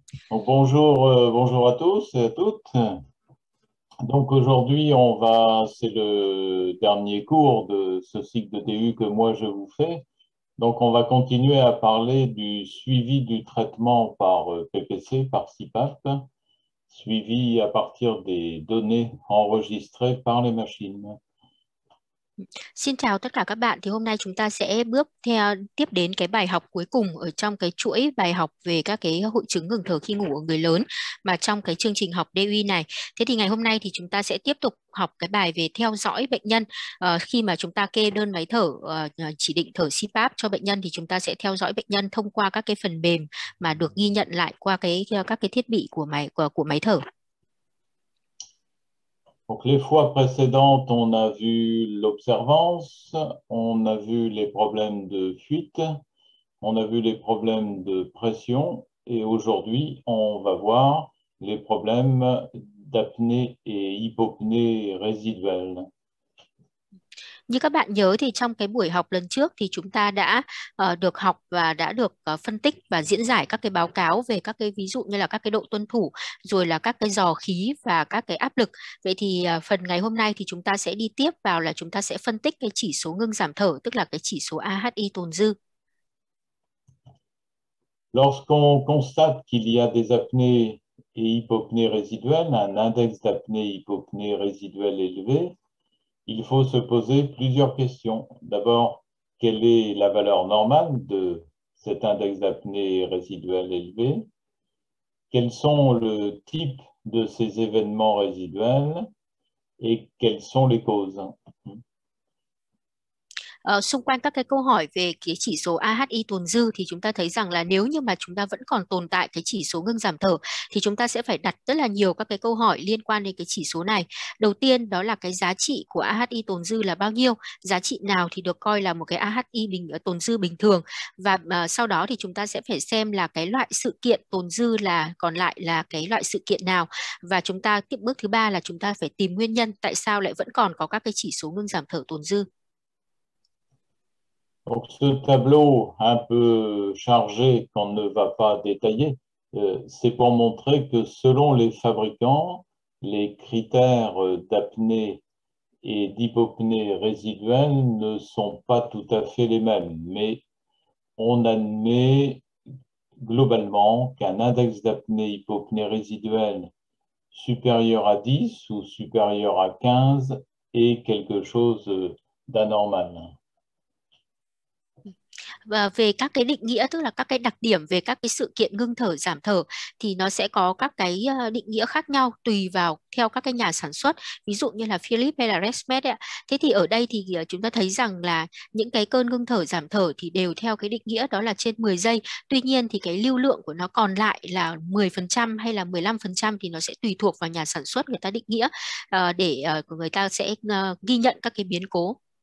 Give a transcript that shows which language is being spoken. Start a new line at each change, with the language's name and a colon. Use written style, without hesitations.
French: Donc, bonjour, bonjour à tous et à toutes. Donc aujourd'hui, c'est le dernier cours de ce cycle de DU que moi je vous fais. Donc on va continuer à parler du suivi du traitement par PPC, par CPAP, suivi à partir des données enregistrées par les machines.
Vietnamese: Xin chào tất cả các bạn. Thì hôm nay chúng ta sẽ bước theo tiếp đến cái bài học cuối cùng ở trong cái chuỗi bài học về các cái hội chứng ngừng thở khi ngủ ở người lớn mà trong cái chương trình học DUI này. Thế thì ngày hôm nay thì chúng ta sẽ tiếp tục học cái bài về theo dõi bệnh nhân khi mà chúng ta kê đơn máy thở chỉ định thở CPAP cho bệnh nhân, thì chúng ta sẽ theo dõi bệnh nhân thông qua các cái phần mềm mà được ghi nhận lại qua các cái thiết bị của máy thở.
French: Donc les fois précédentes, on a vu l'observance, on a vu les problèmes de fuite, on a vu les problèmes de pression et aujourd'hui, on va voir les problèmes d'apnée et hypopnée résiduelle.
Vietnamese: Như các bạn nhớ thì trong cái buổi học lần trước thì chúng ta đã được học và đã được phân tích và diễn giải các cái báo cáo về các cái ví dụ như là các cái độ tuân thủ, rồi là các cái dò khí và các cái áp lực. Vậy thì phần ngày hôm nay thì chúng ta sẽ đi tiếp vào là chúng ta sẽ phân tích cái chỉ số ngưng giảm thở, tức là cái chỉ số AHI tồn dư.
French: Lorsqu'on constate qu'il y a des apnées et hypopnées résiduelles, un index d'apnée hypopnée résiduelle élevé, il faut se poser plusieurs questions. D'abord, quelle est la valeur normale de cet index d'apnée résiduelle élevé? Quels sont le type de ces événements résiduels et quelles sont les causes?
Vietnamese: Xung quanh các cái câu hỏi về cái chỉ số AHI tồn dư thì chúng ta thấy rằng là nếu như mà chúng ta vẫn còn tồn tại cái chỉ số ngưng giảm thở thì chúng ta sẽ phải đặt rất là nhiều các cái câu hỏi liên quan đến cái chỉ số này. Đầu tiên đó là cái giá trị của AHI tồn dư là bao nhiêu, giá trị nào thì được coi là một cái AHI tồn dư bình thường, và sau đó thì chúng ta sẽ phải xem là cái loại sự kiện tồn dư là còn lại là cái loại sự kiện nào, và chúng ta tiếp bước thứ ba là chúng ta phải tìm nguyên nhân tại sao lại vẫn còn có các cái chỉ số ngưng giảm thở tồn dư.
French: Donc ce tableau un peu chargé qu'on ne va pas détailler, c'est pour montrer que selon les fabricants, les critères d'apnée et d'hypopnée résiduelle ne sont pas tout à fait les mêmes, mais on admet globalement qu'un index d'apnée-hypopnée résiduelle supérieur à 10 ou supérieur à 15 est quelque chose d'anormal.
Vietnamese: Và về các cái định nghĩa, tức là các cái đặc điểm về các cái sự kiện ngưng thở giảm thở thì nó sẽ có các cái định nghĩa khác nhau tùy vào theo các cái nhà sản xuất, ví dụ như là Philips hay là ResMed ấy. Thế thì ở đây thì chúng ta thấy rằng là những cái cơn ngưng thở giảm thở thì đều theo cái định nghĩa đó là trên 10 giây, tuy nhiên thì cái lưu lượng của nó còn lại là 10% hay là 15% thì nó sẽ tùy thuộc vào nhà sản xuất người ta định nghĩa để người ta sẽ ghi nhận các cái biến cố.